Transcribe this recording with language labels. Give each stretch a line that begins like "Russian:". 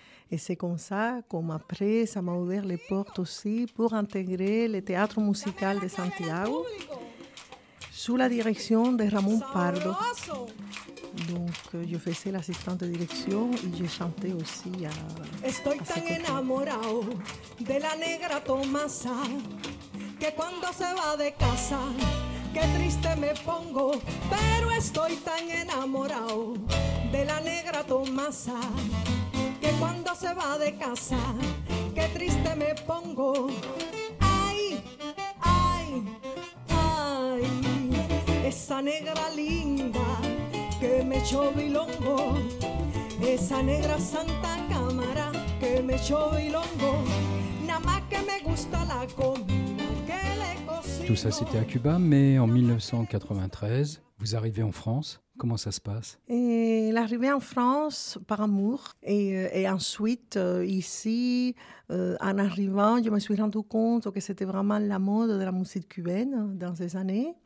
French: Et c'est comme ça qu'après, ça m'a ouvert les portes aussi pour intégrer le théâtre musical de Santiago sous la direction de Ramon Pardo. Donc, je faisais l'assistante de direction et j'ai chanté aussi à.
Spanish: Estoy tan enamorado de la negra Tomasa que cuando se va de casa, qué triste me pongo. Pero estoy tan enamorado de la negra Tomasa que cuando se va de casa, qué triste me pongo. Ay, ay, ay, esa negra linda. Que me echó bilongo, esa negra santa cámara que me echó bilongo, nada más que me gusta la comida que le cocino.
French: Tout ça c'était à Cuba, mais en 1993, vous arrivez en France. Comment ça se passe? Et l'arrivée en France par amour et ensuite ici, en arrivant, je me suis rendu compte que c'était vraiment la mode de la musique cubaine dans ces années.